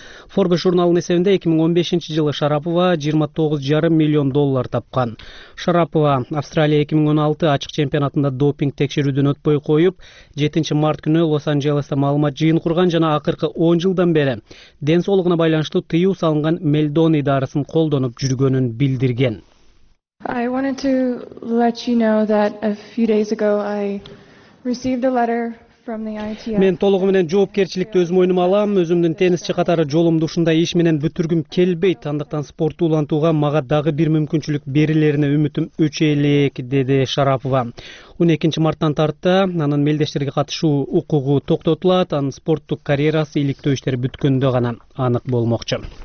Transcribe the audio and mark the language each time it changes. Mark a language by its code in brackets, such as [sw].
[ky] Forbes журналынын эсебинде 2015 жылы Шарапова 29,5 миллион доллар тапкан. Шарапова Австралия 2016 ачык чемпионатында допинг текшерүүдөн өтпөй коюп, 7 март күнү Лос-Анжелесте маалымат жыйын курган жана акыркы 10 жылдан бери ден соолугуна байланыштуу тыюу салынган Мелдон идарасын колдонуп жүргөнүн билдирген. [en] I wanted to let you know that a few days ago I received a letter. [ky] Мен толугу менен жоопкерчиликти өз мойнума алам. Өзүмдүн тенисчи катары жолумду ушундай иш менен бүтүргүм келбейт. Андыктан спортту улантууга мага дагы бир мүмкүнчүлүк берилерине үмүтүм өчөлөк, деди Шарапова. 12 марттан тарта анын мелдештерге катышуу укугу токтотулат. Анын спорттук карьерасы иликтөө иштери бүткөндө гана анык болмокчу.